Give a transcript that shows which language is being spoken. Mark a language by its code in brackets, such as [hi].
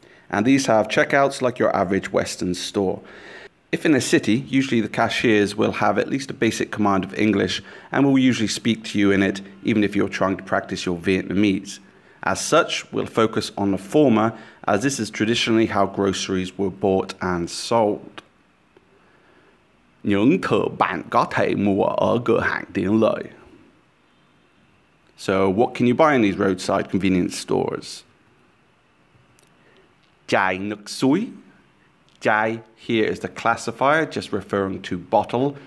[en] And these have checkouts like your average Western store. If in a city, usually the cashiers will have at least a basic command of English and will usually speak to you in it, even if you're trying to practice your Vietnamese. As such, we'll focus on the former, as this is traditionally how groceries were bought and sold. [vi] Những thứ bạn có thể mua ở cửa hàng điện lợi. [en] So, what can you buy in these roadside convenience stores? [vi] chai nước suối. [en] Chai here is the classifier, just referring to bottle.